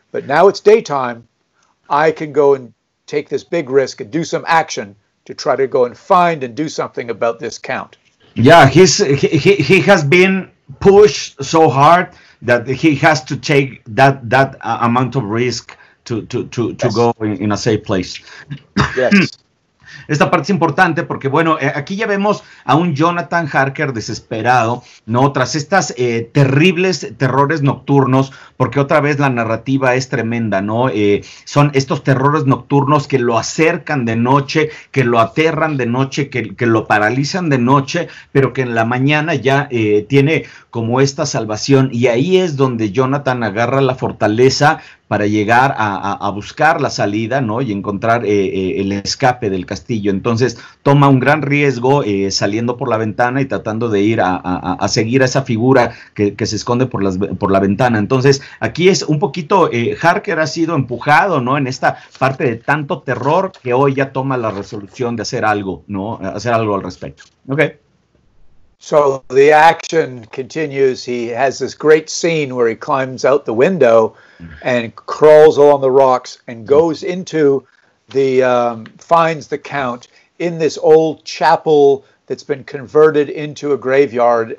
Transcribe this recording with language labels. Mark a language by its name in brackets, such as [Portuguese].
[English] But now it's daytime. I can go and take this big risk and do some action to try to go and find and do something about this Count. Yeah, he has been pushed so hard that he has to take that amount of risk to yes. go in a safe place. Yes. [Spanish] Esta parte es importante porque, bueno, aquí ya vemos a un Jonathan Harker desesperado, ¿no? Tras estas terribles terrores nocturnos, porque otra vez la narrativa es tremenda, ¿no? Son estos terrores nocturnos que lo acercan de noche, que lo aterran de noche, que lo paralizan de noche, pero que en la mañana ya tiene como esta salvación. Y ahí es donde Jonathan agarra la fortaleza para llegar a buscar la salida, ¿no? Y encontrar el escape del castillo. Entonces, toma un gran riesgo saliendo por la ventana y tratando de ir a seguir a esa figura que se esconde por la ventana. Entonces, aquí es un poquito, Harker ha sido empujado, ¿no? En esta parte de tanto terror que hoy ya toma la resolución de hacer algo, ¿no? Hacer algo al respecto. [English] Ok. So the action continues. He has this great scene where he climbs out the window and crawls along the rocks and goes into the, finds the Count in this old chapel that's been converted into a graveyard.